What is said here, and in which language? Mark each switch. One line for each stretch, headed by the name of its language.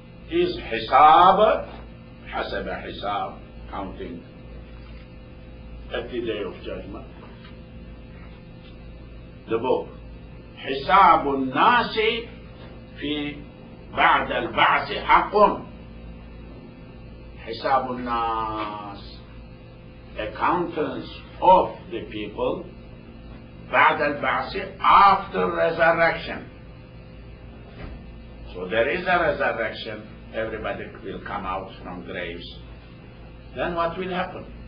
English: Is hisab, hasab hisab, counting, at the day of judgment? The book,
Arabic: حساب الناس في بعد البعث حق. حساب الناس,
English: accountants of the people,
Arabic: بعد البعث,
English: after resurrection. So there is a resurrection, everybody will come out from graves. Then what will happen?